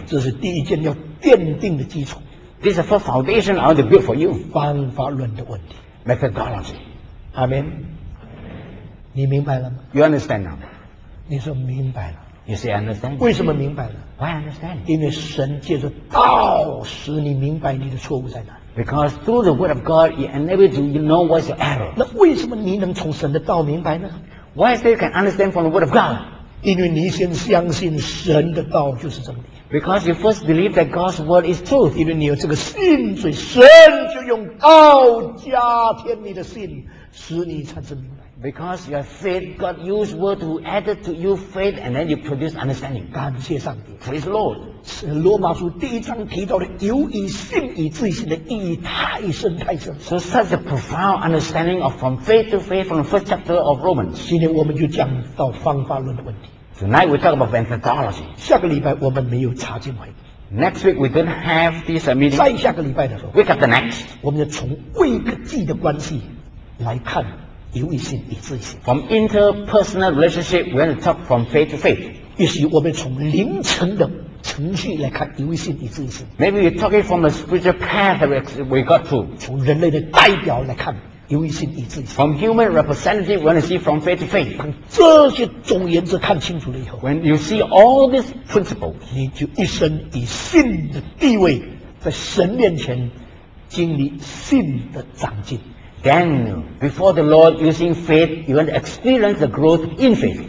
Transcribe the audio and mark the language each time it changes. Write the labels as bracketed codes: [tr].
[zh] 这是第一件要奠定的基础。 [en] This is for foundation I want to build for you。 [zh] 方法论的问题。 [en] Methodology。 [zh] 阿门。你明白了吗 [en] ？You understand now？ [zh] 你说明白了。 [en] You say understand？ [zh] 为什么明白了 [en] ？Why understand？ [zh] 因为神借着道使你明白你的错误在哪。 [en] Because through the word of God, it enables you to know what's your error。 [zh] 那为什么你能从神的道明白呢？ [en] Why is that you can understand from the word of God? [zh] 因为你先相信神的道就是真理。 [en] Because you first believe that God's word is truth. [zh] 因为你有这个信，所以神就用道加添你的信，使你产生明白。 [en] Because you have faith, God used word to add it to your faith, and then you produce understanding. [zh] 感谢上帝。 [en] Praise the Lord. [zh] 是罗马书第一章提到的由以信以至于信的意义太深太深。 [en] So such a profound understanding of from faith to faith from the first chapter of Romans. [zh] 今天我们就讲到方法论的问题。 [en] Tonight we talk about methodology. [zh] 下个礼拜我们没有查经会。 [en] Next week we don't have this meeting. [zh] 再下个礼拜的时候。 [en] Week after next. [zh] 我们要从未可计的关系来看。由于信以至于信 [en] From interpersonal relationship we want to talk from faith to faith [zh] 也许我们从灵层的程序来看由于信以至于信 [en] Maybe you're talking from the spiritual path we got to [zh] 从人类的代表来看由于信以至于信 [en] From human representative we want to see from faith to faith [zh] 当这些总原则看清楚了以后 [en] When you see all these principles [zh] 你就一生以信的地位在神面前经历信的长进 [en] Then, before the Lord, using faith, you want to experience the growth in faith.